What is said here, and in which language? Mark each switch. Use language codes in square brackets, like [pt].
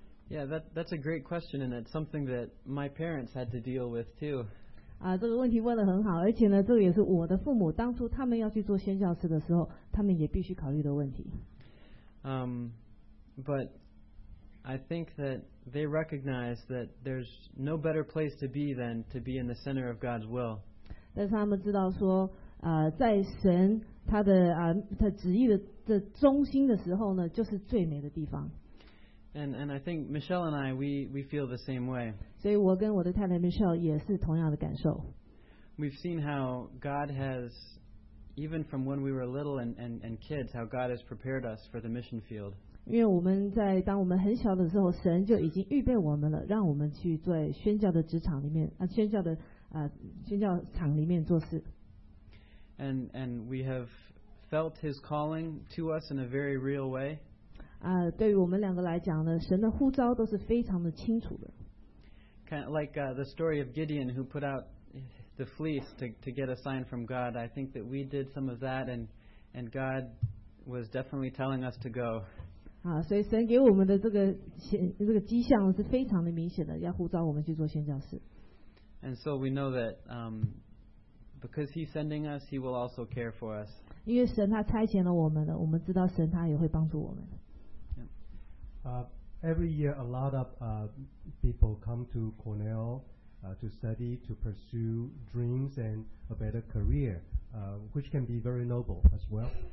[en] Yeah, that's a great question, and it's something that my parents had to deal with too. [zh] 这个问题问得很好，而且呢，这个也是我的父母当初他们要去做宣教士的时候，他们也必须考虑的问题。 [en] But I think that they recognize that there's no better place to be than to be in the center of God's will. [zh] 但是他们知道说，在神他旨意的这中心的时候呢，就是最美的地方。 [en] And I think Michelle and I we feel the same way. [zh] 所以我跟我的太太 Michelle 也是同样的感受。 [en] We've seen how God has, even from when we were little and kids, how God has prepared us for the mission field. [zh] 因为我们在当我们很小的时候，神就已经预备我们了，让我们去做宣教的职场里面，宣教场里面做事。 [en] And we have felt His calling to us in a very real way. [zh] 对于我们两个来讲呢，神的呼召都是非常的清楚的。 [en] Kind of like the story of Gideon who put out the fleece to get a sign from God. I think that we did some of that, and God was definitely telling us to go. [zh] 所以神给我们的这个迹象是非常的明显的，要呼召我们去做宣教士。 [en] And so we know that because He's sending us, He will also care for us. [zh] 因为神他差遣了我们了，我们知道神他也会帮助我们。 [en] Every year, a lot of people come to Cornell to study, to pursue dreams and a better career, which can be very noble as well.